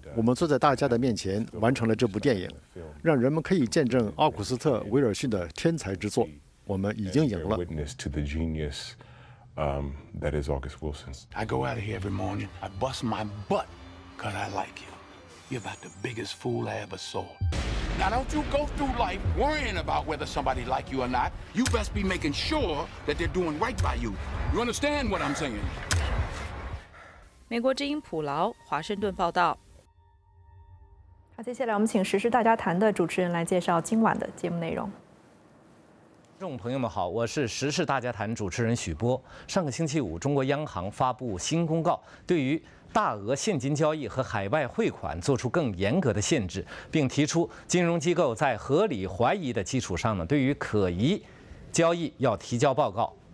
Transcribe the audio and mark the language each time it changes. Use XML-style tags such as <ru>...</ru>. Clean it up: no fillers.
<zh>我们坐在大家的面前，完成了这部电影，让人们可以见证奥古斯特·威尔逊的天才之作。我们已经赢了。</zh> <en>Witness to the genius, that is August Wilson. I go out of here every morning. I bust my butt, 'cause I like you. You're about the biggest fool I ever saw. Now don't you go through life worrying about whether somebody like you or not. You best be making sure that they're doing right by you. You understand what I'm saying?</en> <zh>美国之音普劳华盛顿报道。好，接下来我们请时事大家谈的主持人来介绍今晚的节目内容。听众朋友们好，我是时事大家谈主持人许波。上个星期五，中国央行发布新公告，对于大额现金交易和海外汇款做出更严格的限制，并提出金融机构在合理怀疑的基础上呢，对于可疑交易要提交报告。</zh>